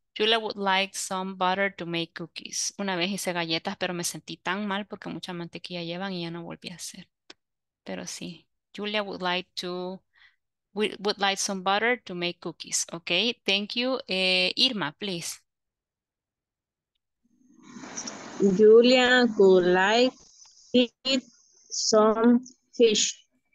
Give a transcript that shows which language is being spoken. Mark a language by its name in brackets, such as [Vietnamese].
[English] Julia would like some butter to make cookies. [Spanish] Una vez hice galletas, pero me sentí tan mal porque mucha mantequilla llevan y ya no volví a hacer. Pero sí. [English] Julia would like to, would like some butter to make cookies. Okay, thank you. Irma, please. Julia would like to eat some fish.